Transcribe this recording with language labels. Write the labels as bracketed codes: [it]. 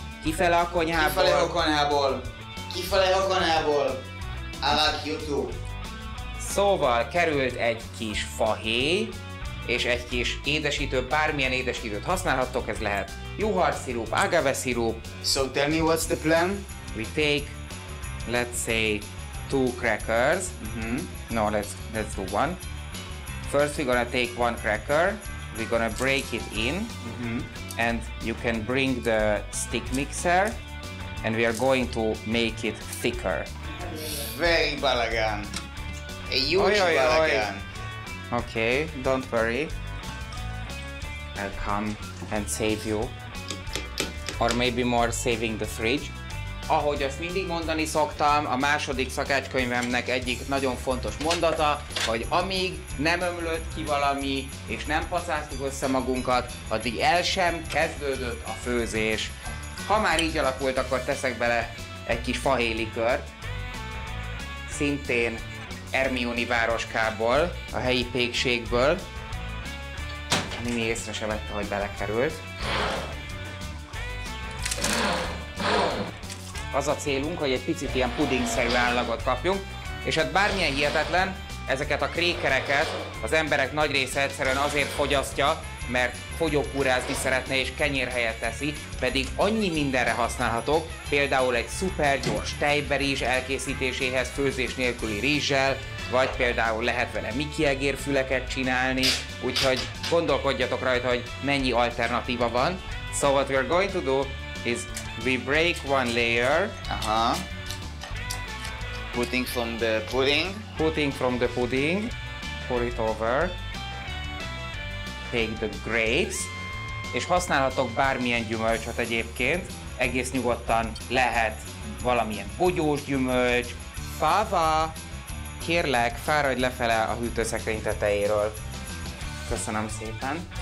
[hu] Kifele a konyhából! Kifele a konyhából! Kifele a konyhából! [en] I like YouTube! [hu] Szóval került egy kis fahéj, és egy kis édesítő, bármilyen édesítőt használhattok, ez lehet juharszirup, agave szirup. [en] So tell me what's the plan? We take, let's say, two crackers. Mm-hmm. No, let's do one. First we're gonna take one cracker, we're gonna break it in, mm-hmm. And you can bring the stick mixer, and we are going to make it thicker. Very balagan. A huge balagan. Okay, don't worry. I'll come and save you. Or maybe more saving the fridge. [hu] Ahogy azt mindig mondani szoktam, a második szakácskönyvemnek egyik nagyon fontos mondata, hogy amíg nem ömlött ki valami, és nem pacáztuk össze magunkat, addig el sem kezdődött a főzés. Ha már így alakult, akkor teszek bele egy kis fahélikört. Szintén Hermione városkából, a helyi pékségből. Nini észre se vette, hogy belekerült. Az a célunk, hogy egy picit ilyen pudingszerű állagot kapjunk, és hát bármilyen hihetetlen, ezeket a krékereket az emberek nagy része egyszerűen azért fogyasztja, mert fogyókúrázni szeretne és kenyér helyet teszi, pedig annyi mindenre használhatok, például egy szuper gyors tejberizs elkészítéséhez főzés nélküli rizssel, vagy például lehet vele Mickey-egér füleket csinálni, úgyhogy gondolkodjatok rajta, hogy mennyi alternatíva van. [en] So what we're going to do is we break one layer. Aha. Putting from the pudding. Putting from the pudding. Pour it over. Take the grapes. [hu] És használhatok bármilyen gyümölcsöt egyébként. Egész nyugodtan lehet valamilyen bogyós gyümölcs. Fava! Kérlek, fáradj lefele a hűtőszekrény tetejéről. Köszönöm szépen.